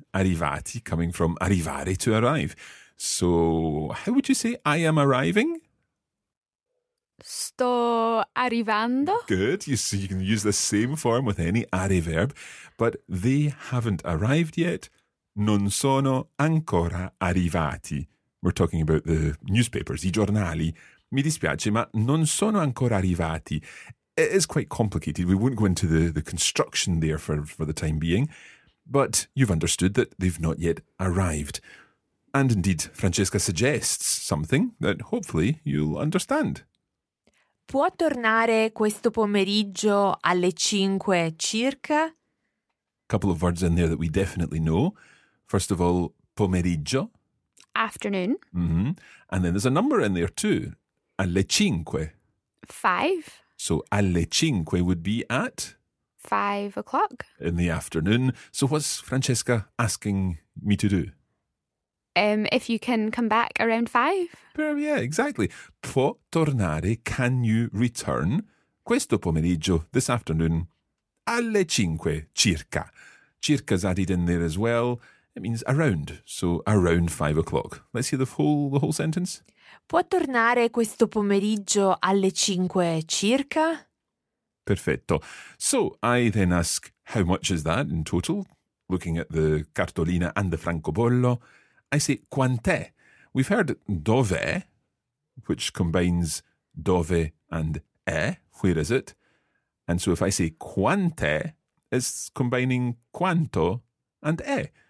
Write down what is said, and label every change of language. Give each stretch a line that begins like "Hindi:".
English: Arrivati, coming from arrivare, to arrive. So, how would you say I am arriving?
Italian: Sto arrivando.
English: Good. You can use the same form with any are verb. But they haven't arrived yet.
Italian: Non sono ancora arrivati.
English: We're talking about the newspapers, I giornali.
Italian: Mi dispiace, ma non sono ancora arrivati.
English: It is quite complicated. We won't go into the construction there for the time being. But you've understood that they've not yet arrived. And indeed, Francesca suggests something that hopefully you'll understand.
Italian: Può tornare questo pomeriggio alle 5 circa?
English: A couple of words in there that we definitely know. First of all, pomeriggio. Afternoon. Mm-hmm. And then there's a number in there too.
Italian: Alle cinque.
English: 5. So alle cinque would be at? 5 o'clock. In the afternoon. So what's Francesca asking me to do? If you can come back around 5. Yeah, exactly.
Italian: Può tornare,
English: can you return
Italian: questo pomeriggio,
English: this afternoon,
Italian: alle cinque circa.
English: Circa's added in there as well. It means around, so around 5 o'clock. Let's hear the whole sentence.
Italian: Può tornare questo pomeriggio alle 5 circa? Perfetto.
English: So I then ask, how much is that in total? Looking at the cartolina and the francobollo, I say,
Italian: quant'è?
English: We've heard dove, which combines dove and è, where is it? And so if I say quant'è, it's combining quanto and è.